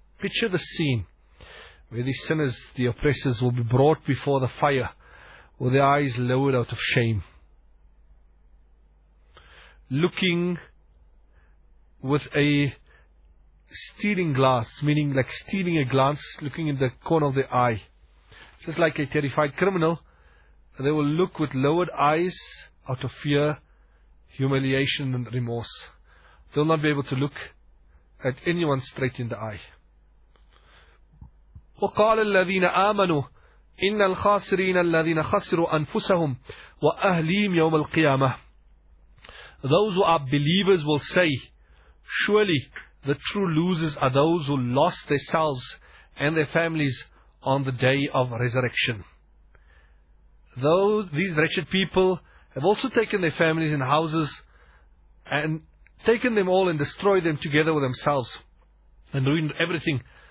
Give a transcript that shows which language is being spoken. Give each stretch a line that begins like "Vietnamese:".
English: Picture the scene where these sinners, the oppressors, will be brought before the fire with their eyes lowered out of shame, looking with a stealing glass, meaning like stealing a glance, looking in the corner of the eye, just like a terrified criminal. They will look with lowered eyes out of fear, humiliation and remorse. They'll not be able to look at anyone straight in the eye.
Arabic: وقال الذين آمنوا إن الخاسرين الذين خسروا أنفسهم وأهليهم يوم القيامة.
English: Those who are believers will say, surely the true losers are those who lost their selves and their families on the day of resurrection. These wretched people have also taken their families and houses and taken them all and destroyed them together with themselves and ruined everything.